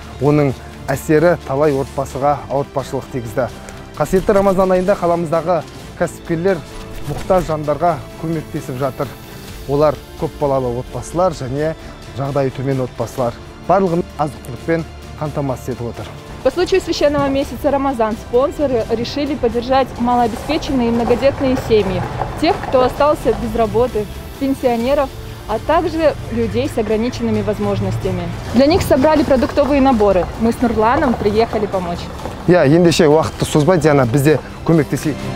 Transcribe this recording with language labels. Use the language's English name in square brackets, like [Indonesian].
[Kazakh] Оның әсері талай отбасыға ауыртпашылық тегізді. Қасиетті Рамазан айында қаламыздағы кәсіпкерлер мұқтаж жандарға көмектесіп жатыр. Олар көп балалы отбасылар және жағдайы төмен отбасылар. Барлығын азық-түлікпен қамтамасыз етіп отыр. [Russian] По случаю священного месяца Рамазан спонсоры решили поддержать малообеспеченные и многодетные семьи, тех, кто остался без работы, пенсионеров, а также людей с ограниченными возможностями. Для них собрали продуктовые наборы. Мы с Нурланом приехали помочь. [Kazakh] Я енді ше уақытты созбай, Диана, бізде көмектесей.